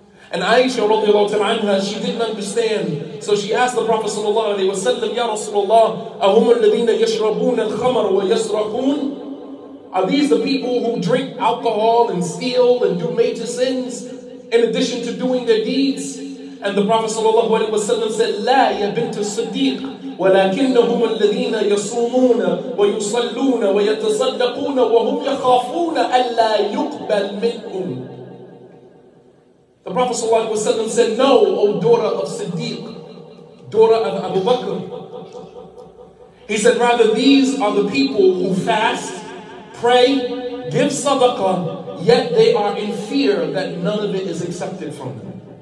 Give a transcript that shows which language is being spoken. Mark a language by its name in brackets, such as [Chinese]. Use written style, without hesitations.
[English] And Aisha radiallahu ta'ala anha, she didn't understand. So she asked the Prophet sallallahu alayhi wa sallam, Ya Rasulullah, [Arabic] أهم الذين يشربون الخمر ويسرقون? [English] Are these the people who drink alcohol and steal and do major sins in addition to doing their deeds? And the Prophet sallallahu alayhi wa sallam said, [Arabic] لا يا بنت الصديق ولكنهم الذين يصومون ويصلون ويتصدقون وهم يخافون ألا يقبل منهم. [English] The Prophet sallallahu alayhi wa sallam said, no, O daughter of Siddiq, daughter of Abu Bakr. He said, rather, these are the people who fast, pray, give sadaqah, yet they are in fear that none of it is accepted from them.